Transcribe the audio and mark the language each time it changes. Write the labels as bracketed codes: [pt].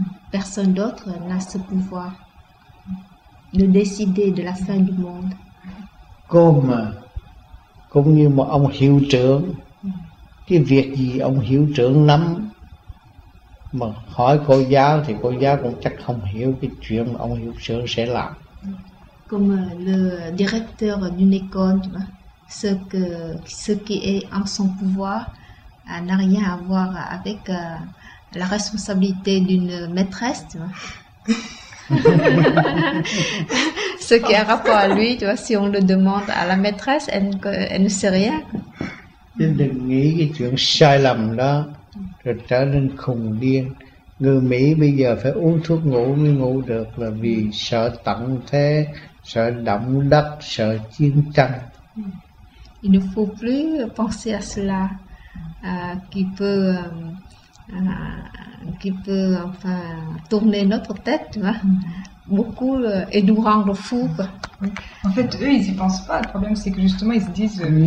[fr] Personne d'autre n'a ce pouvoir de décider de la fin du monde. Comme, [vi] cũng như mà ông hiệu trưởng, cái việc gì ông hiệu trưởng nắm mà hỏi cô giáo thì cô giáo cũng chắc không hiểu cái chuyện ông hiệu trưởng sẽ làm. [fr] Comme le directeur d'une école, tu vois, ce qui est en son pouvoir n'a rien à voir avec la responsabilité d'une maîtresse, tu vois. Ce qui a rapport à lui, tu vois, si on le demande à la maîtresse, elle ne sait rien. Tu ne [vi] nghĩ cái chuyện sai lầm đó rồi trở nên khùng điên. Người Mỹ bây giờ phải uống thuốc ngủ mới ngủ được là vì sợ tận thế, sợ động đất, sợ chiến tranh. [fr] Il ne faut plus penser à cela, qui peut enfin tourner notre tête, tu vois, beaucoup et nous rendre fous. En fait, eux, ils y pensent pas. Le problème, c'est que justement, ils se disent.